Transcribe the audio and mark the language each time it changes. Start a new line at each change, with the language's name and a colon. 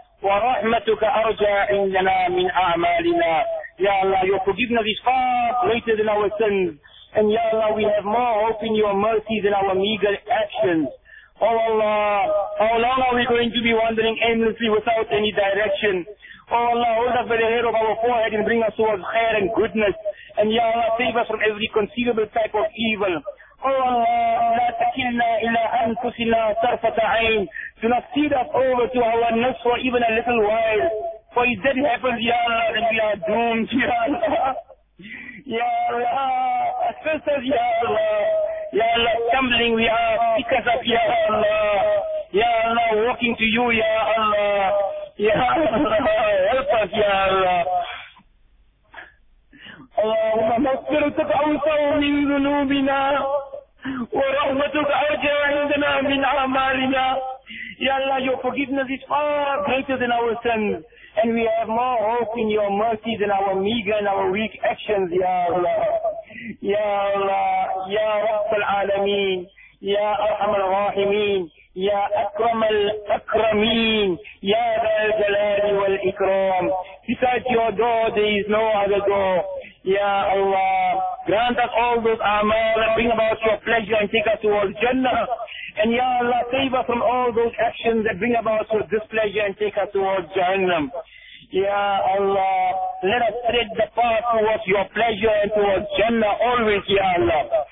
Arabic: ورحمتك أرجى عندنا من أعمالنا.
English: Ya Allah, your forgiveness is far greater than our sins. And Ya Allah, we have more hope in your mercy than our meager actions. Oh Allah, how long are we going to be wandering aimlessly without any direction? Oh Allah, hold up by the hair of our forehead and bring us towards khair and goodness. And Ya Allah, save us from every conceivable type of evil. Oh Allah,
Arabic: لا تكلنا إلى أنفسنا طرفة عين.
English: Do not feed us over to our nafs for even a little while. For if that happens, Ya Allah, then we are doomed, Ya Allah. Ya Allah, assist us, Ya Allah. Ya Allah, stumbling we are, pick us up, Ya Allah. Ya Allah, walking to you, Ya Allah. Ya Allah, help us, Ya Allah.
Arabic: اللهم مغفرتك أوسع من ذنوبنا ورحمتك أرجى عندنا من أعمالنا.
English: يا الله, your forgiveness is far greater than our sins and we have more hope in your mercy than our meager and our weak actions.
Arabic: يا الله, يا الله, يا رب العالمين, يا أرحم الراحمين, يا أكرم الأكرمين, يا ذا الجلال والإكرام.
English: Besides your door, there is no other door. Ya Allah, grant us all those amal and bring about your pleasure and take us towards Jannah. And Ya Allah, save us from all those actions that bring about your displeasure and take us towards Jahannam. Ya Allah, let us tread the path towards your pleasure and towards Jannah always, Ya Allah.